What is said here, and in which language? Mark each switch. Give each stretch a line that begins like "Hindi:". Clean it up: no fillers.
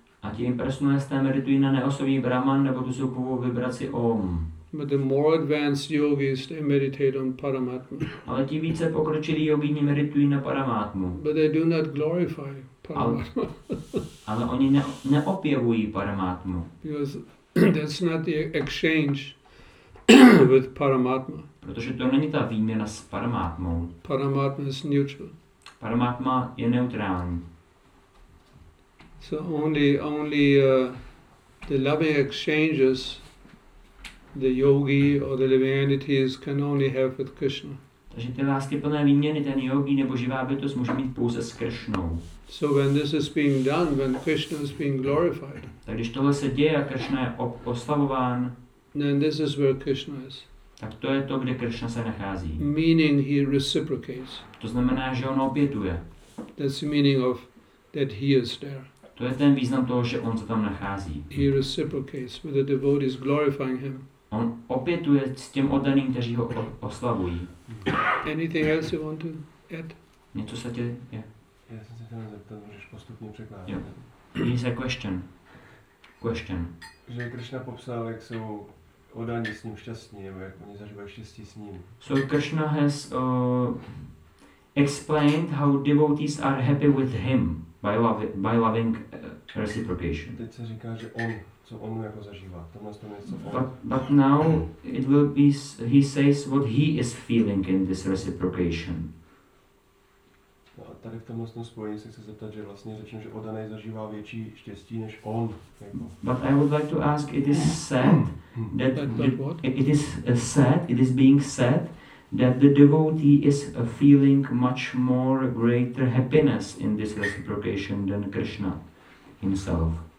Czech: A ti impersonalisté meditují na neosobní Brahman, nebo tu soupovou vibraci Om.
English: But the more advanced yogis, they meditate on Paramatma.
Czech: Ale ti více pokročilí yogíni meditují na Paramatmu.
English: But they do not glorify Paramatma.
Czech: Ale oni neopěvují Paramatmu.
English: Because that's not the exchange with Paramatma.
Czech: Protože to není ta výměna s Paramatmou.
English: Paramatma is neutral.
Czech: Paramatma je neutrální.
English: So only the loving exchanges the yogi or the living entities can only have with Krishna.
Czech: Takže ty láskyplné výměny ten yogi nebo živá bytost může mít pouze s Krishnou.
English: So when this is being done, when Krishna is being glorified.
Czech: Tak když tohle se děje a Krishna je oslavován,
English: then this is where Krishna is.
Czech: Tak to je to, kde Krishna se nachází.
English: Meaning he reciprocates.
Czech: To znamená, že on opětuje.
English: That's the meaning of that he is there.
Czech: To je ten význam toho, že on se tam nachází.
English: He reciprocates with the devotees glorifying him.
Czech: On opětuje s těm oddaným, kteří ho oslavují.
English: Anything else you want to add?
Czech: Něco se tě je? Já jsem se zeptat, můžeš postupně překládat. Jo.
English: Question.
Czech: Že Krishna popsal, jak jsou oddaní s ním šťastní, nebo jak oni zažívají štěstí s ním.
English: So Krishna has explained how devotees are happy with him by loving reciprocation.
Czech: Teď se říká, že on, co on jako zažívá. Tomhle to něco on.
English: But now it will be, he says what he is feeling in this reciprocation.
Czech: No a tady v tom vlastně spojení se chci zeptat, že vlastně řečím, že oddaný zažívá větší štěstí než on.
English: But I would like to ask, it is being said that the devotee is feeling much more greater happiness in this reciprocation than Krishna himself.